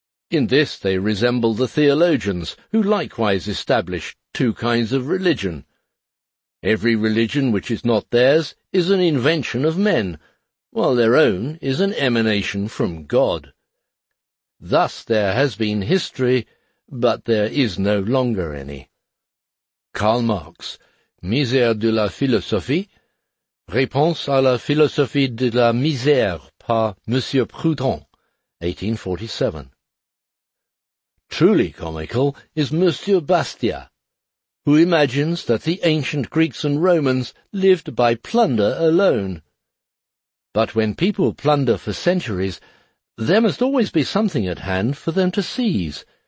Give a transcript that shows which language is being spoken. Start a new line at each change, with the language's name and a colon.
English: In this they resemble the theologians, who likewise establish two kinds of religion. Every religion which is not theirs is an invention of men, while their own is an emanation from God. Thus there has been history, but there is no longer any.
French: Karl Marx, Misère de la philosophie, Réponse à la philosophie de la misère par Monsieur Proudhon, 1847.
English: Truly comical is Monsieur Bastiat, who imagines that the ancient Greeks and Romans lived by plunder alone. But when people plunder for centuries, there must always be something at hand for them to seize.